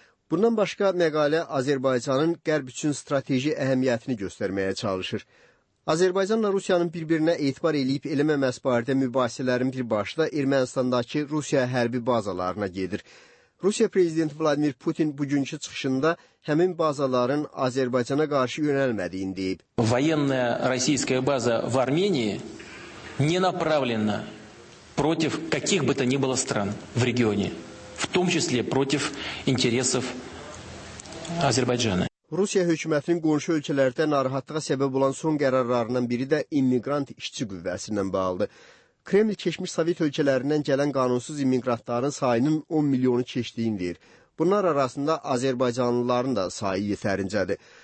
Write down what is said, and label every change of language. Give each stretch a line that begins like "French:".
Azerbaijani: Bundan başqa məqalə Azərbaycanın qərb üçün strateji əhəmiyyətini göstərməyə çalışır. Azərbaycanla Rusiyanın bir-birinə etibar eləyib eləməməsi barədə mübahisələrin bir başı da Ermənistandakı Rusiya hərbi bazalarına gedir. Rusiya Prezidenti Vladimir Putin bugünkü çıxışında həmin bazaların Azərbaycana qarşı yönəlmədiyini deyib.
Russian: Военная российская база в Армении не направлена против каких бы то ни было стран в регионе, в том числе против интересов Азербайджана.
Azerbaijani: Rusiya hökumətinin qonşu ölkələrdə narahatlığa səbəb olan son qərarlarından biri də immiqrant işçi qüvvəsi ilə bağlıdır. Kreml keçmiş Sovet ölkələrindən gələn qanunsuz immiqrantların sayının 10 milyonu keçdiyini deyir. Bunlar arasında azərbaycanlıların da sayı yetərincədir.